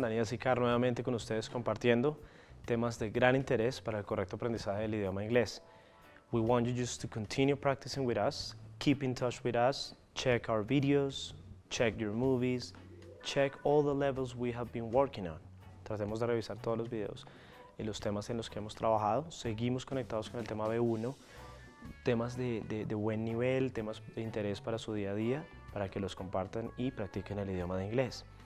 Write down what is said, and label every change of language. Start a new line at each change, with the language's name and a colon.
Spanish: Daniel Sicar nuevamente con ustedes compartiendo temas de gran interés para el correcto aprendizaje del idioma inglés.
English: We want you just to continue practicing with us, keep in touch with us, check our videos, check your movies, check all the levels we have been working on.
Spanish: Tratemos de revisar todos los videos y los temas en los que hemos trabajado. Seguimos conectados con el tema B1, temas de buen nivel, temas de interés para su día a día, para que los compartan y practiquen el idioma de inglés.